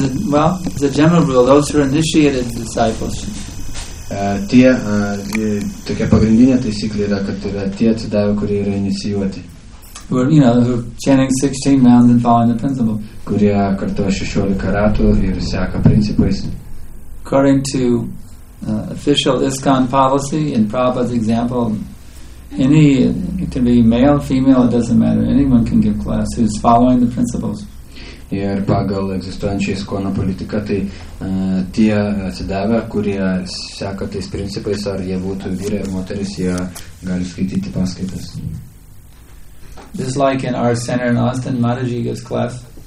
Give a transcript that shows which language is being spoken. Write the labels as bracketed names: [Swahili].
[English] Well, the general rule, those who are initiated disciples. [Lithuanian] Tokia pagrindinė taisyklė yra, kad yra tie atsidavę, kurie yra inicijuoti. [English] Who are chanting 16 rounds and following the principle. [Lithuanian] Kurie kartuoja 16 ratų ir seka principais. [English] According to official ISKCON policy, in Prabhupada's example, any, it can be male, female, it doesn't matter. Anyone can give class who's following the principles. [Lithuanian] Ir pagal egzistuojančią ISKCONO politiką, tai tie atsidavę, kurie seka tais principais, ar jie būtų vyrai ar moteris, jie gali skaityti paskaitas. [English] Just like in our center in Austin, Mataji gives class.